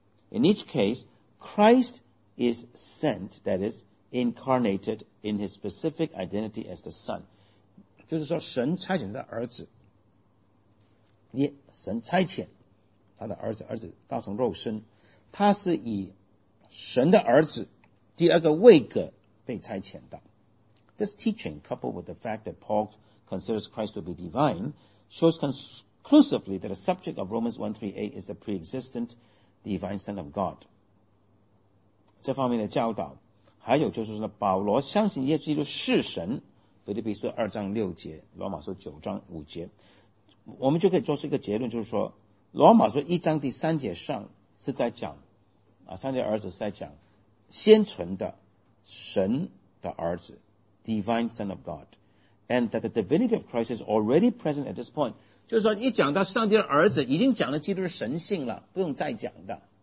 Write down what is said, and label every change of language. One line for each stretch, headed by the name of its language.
English: In each case, Christ is sent, that is, incarnated in his specific identity as the Son.
Chinese: 就是说神差遣他的儿子，神差遣他的儿子，儿子道成肉身，他是以神的儿子第二个位格被差遣的。
English: This teaching, coupled with the fact that Paul considers Christ to be divine, shows conclusively that the subject of Romans 1:3a is the pre-existent divine Son of God.
Chinese: 这方面的教导，还有就是说，保罗相信耶稣基督是神，腓立比书二章六节，罗马书九章五节，我们就可以做出一个结论，就是说，罗马书一章第三节上是在讲，上帝的儿子是在讲先存的神的儿子 ，
English: divine son of God，and that the divinity of Christ is already present at this point，
Chinese: 就是说，一讲到上帝的儿子，已经讲了基督的神性了，不用再讲的。